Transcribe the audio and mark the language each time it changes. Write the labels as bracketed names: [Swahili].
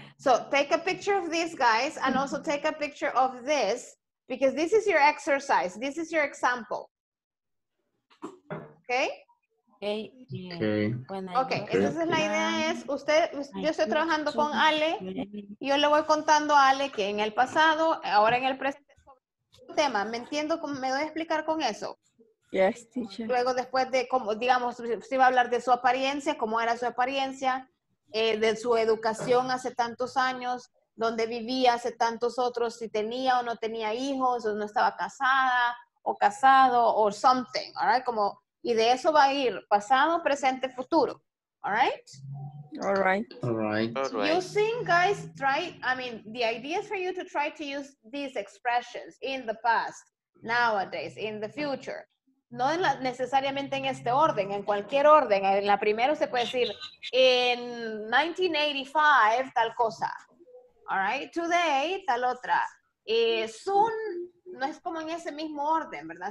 [English] So take a picture of these guys and also take a picture of this because this is your exercise. This is your example. Okay? Okay. [Spanish] Okay, entonces la idea es, yo estoy trabajando con Ale. Yo le voy contando a Ale que en el pasado, ahora en el presente, tema, ¿me entiendo? ¿Me voy a explicar con eso? [English] Yes, teacher. [Spanish] Luego después de, como digamos, si va a hablar de su apariencia, cómo era su apariencia, de su educación hace tantos años, dónde vivía hace tantos otros, si tenía o no tenía hijos, o no estaba casada o casado, o [English] something, all right? [Spanish] Como, y de eso va a ir pasado, presente, futuro, [English] all right? All right. All right. Using, guys, the idea is for you to try to use these expressions in the past, nowadays, in the future. [Spanish] No necesariamente en este orden, en cualquier orden. En la primera se puede decir, [English] in 1985, [Spanish] tal cosa. [English] All right. [Spanish] Today, tal otra. Soon, no es como en ese mismo orden, ¿verdad?